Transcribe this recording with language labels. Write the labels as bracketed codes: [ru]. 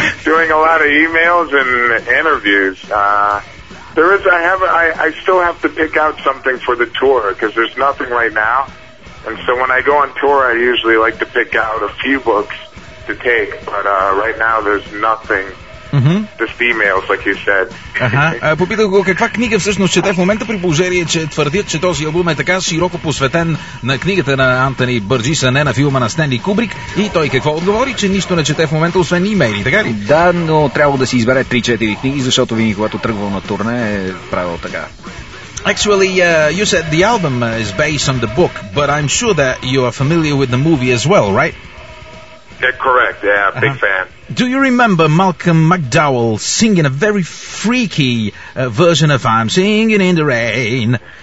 [en] Doing a lot of emails and interviews. There is. I still have to pick out something for the tour because there's nothing right now. And so when I go on tour, I usually like to pick out a few books to take. But right now, there's nothing. Just emails, like you said. [bg] Попитах го каква книга всъщност чете в момента, при положение, че твърдят, че този албум е така широко посветен на книгата на Антони Бърджис, а не на филма на Стенли Кубрик. И той какво отговори? Че нищо не чете в момента, освен имейли, така ли? Да, но трябва да си избере 3-4 книги, защото винаги, когато тръгвам на турне, е правил така. [en] Actually, you said the album is based on the book, but I'm sure that you are familiar with the movie as well, right? Yeah, correct. Yeah, big fan. Do you remember Malcolm McDowell singing a very freaky version of I'm Singing in the Rain?